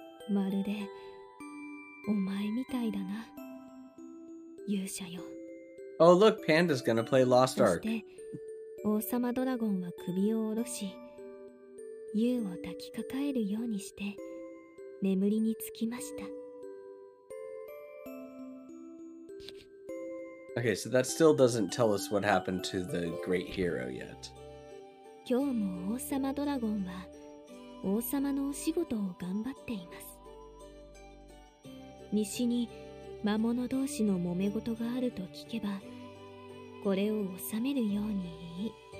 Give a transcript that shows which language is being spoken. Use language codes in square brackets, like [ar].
[ja] まるでお前みたいだな、勇者よ。 [en] Oh look, Panda's gonna play Lost Ark. [ja] そして王様ドラゴンは首を下ろし、ユウを抱きかかえるようにして眠りにつきました。 [en] Okay, so that still doesn't tell us what happened to the great hero yet. [ja] 今日も王様ドラゴンは王様のお仕事を頑張っています。西に魔物同士の揉め事があると聞けば、これを収めるようにいい。